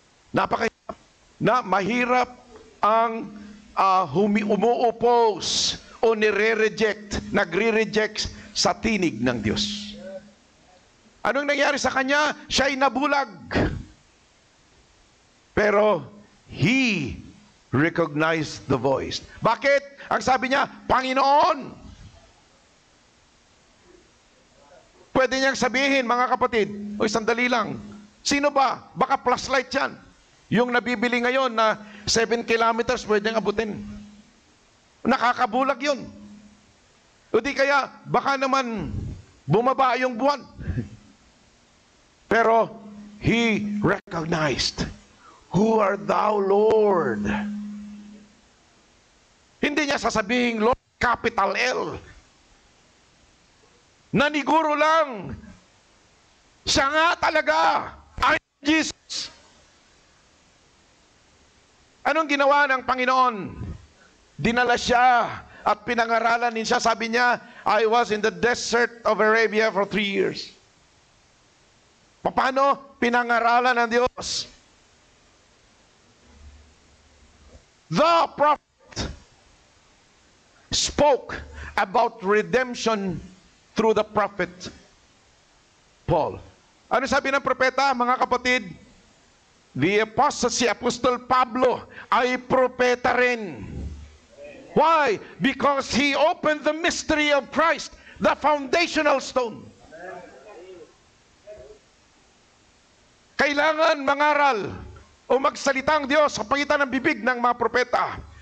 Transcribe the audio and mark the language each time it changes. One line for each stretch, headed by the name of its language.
Filipino: Napakahirap na mahirap ang umuupos o nire-reject, nagre-reject sa tinig ng Diyos. Anong nangyari sa kanya? Siya'y nabulag.
English: Pero, he recognized the voice.
Filipino: Bakit? Ang sabi niya, Panginoon! Pwede niyang sabihin, mga kapatid, o sandali lang, sino ba? Baka plus light yan. Yung nabibili ngayon na 7 kilometers pwedeng abutin. Nakakabulag yun. O di kaya, baka naman bumaba yung buwan.
English: Pero, he recognized, who are thou, Lord?
Filipino: Hindi niya sasabihin, Lord, capital L. Naniguro lang, siya nga talaga,
English: I'm Jesus.
Filipino: Anong ginawa ng Panginoon? Dinala siya at pinangaralan niya.
English: Sabi niya, I was in the desert of Arabia for 3 years.
Filipino: Paano? pinangaralan ng Diyos.
English: The prophet spoke about redemption through the prophet Paul.
Filipino: Ano sabi ng propeta, mga kapatid?
English: The apostle,
Filipino: si Apostol Pablo, ay propeta rin. Why?
English: Because he opened the mystery of Christ, the foundational stone.
Filipino: Kailangan mangaral o magsalita ang Diyos sa pagitan ng bibig ng mga propeta.